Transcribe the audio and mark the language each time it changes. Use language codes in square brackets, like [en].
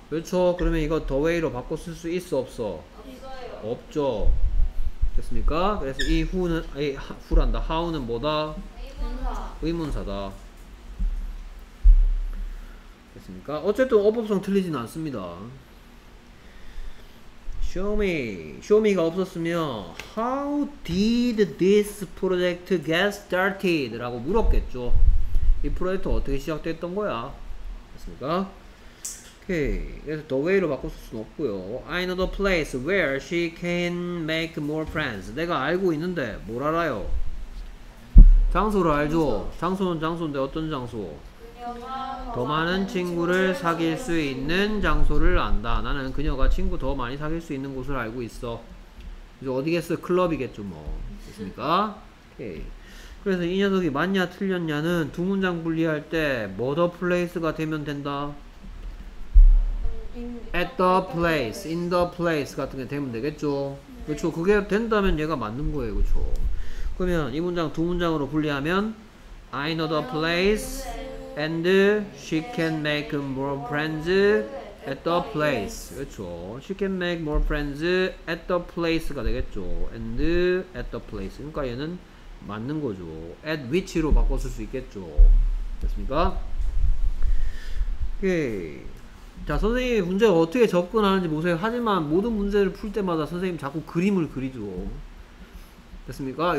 [ko] 그렇죠? 그러면 이거 the way로 바꿔 쓸 수 있어? 없어? 없어요. 없죠. 됐습니까? 그래서 이 who는, 이 who란다. how는 뭐다? 의문사. 의문사다. 됐습니까? 어쨌든 어법성 틀리진 않습니다. [en] Show me. Show me [ko] 가 없었으면 [en] How did this project get started? [ko] 라고 물었겠죠. 이 프로젝트 어떻게 시작됐던 거야? 됐습니까? 오케이. 그래서 the way로 바꿀 수는 없고요. [en] I know the place where she can make more friends. [ko] 내가 알고 있는데 뭘 알아요? 장소를 알죠? 장소는 장소인데 어떤 장소? 더 많은 친구를 사귈 수 있는 장소를 안다. 나는 그녀가 친구 더 많이 사귈 수 있는 곳을 알고 있어. 그래서 어디겠어? 클럽이겠죠 뭐. 됐습니까? 오케이. 그래서 이 녀석이 맞냐 틀렸냐는 두 문장 분리할 때 뭐 더 플레이스가 되면 된다? [en] At the place, in the place [ko] 같은 게 되면 되겠죠. 그렇죠. 그게 된다면 얘가 맞는 거예요. 그렇죠. 그러면 이 문장 두 문장으로 분리하면 [en] I know the place and she can make more friends at the place. [ko] 그렇죠. [en] She can make more friends at the place [ko] 가 되겠죠. [en] And at the place. [ko] 그러니까 얘는 맞는 거죠. At which로 바꿔 쓸 수 있겠죠. 됐습니까? 오케이. 자, 선생님 문제가 어떻게 접근하는지 보세요. 하지만 모든 문제를 풀 때마다 선생님 자꾸 그림을 그리죠. 됐습니까?